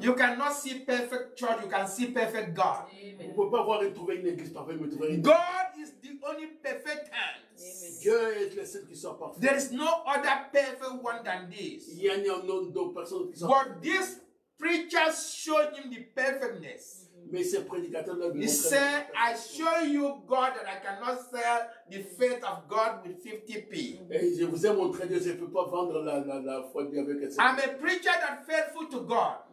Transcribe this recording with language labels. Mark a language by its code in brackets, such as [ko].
[en] You cannot see perfect church, you can see perfect God. [fr] Vous pouvez pas voir et trouver une église parfaite, mais trouver une. [en] God is the only perfect hand. [fr] Dieu est le seul qui soit parfait. [en] There is no other perfect one than this. [fr] Il y a ni un autre personne qui soit. [en] But this preacher showed him the perfectness. [fr] Mais ce prédicateur l'a montré. [en] He said, "I show you God that I cannot sell the faith of God with 50 p." [fr] Je vous ai montré que je ne peux pas vendre la foi de Dieu avec 50 p. [en] I'm a preacher that faithful to God.